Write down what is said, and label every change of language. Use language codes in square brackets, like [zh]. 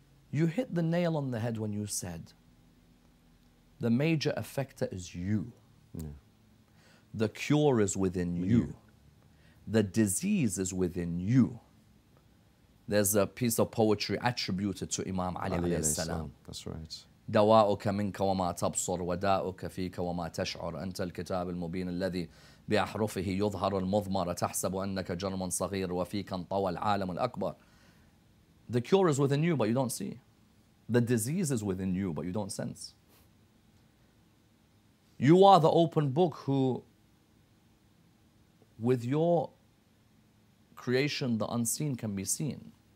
[en] You hit the nail on the head when you said, the major effector is you. Yeah. The cure is within you. The disease is within you. There's a piece of poetry attributed to Imam Ali alayhi salam. That's right. [ar] دواءك منك وما تبصر وداءك فيك وما تشعر أنت الكتاب المبين الذي بأحرفه يظهر المضمر تحسب أنك جرم صغير وفيك انطوى العالم الأكبر. [en] The cure is within you but you don't see. The disease is within you but you don't sense. You are the open book who with your creation the unseen can be seen.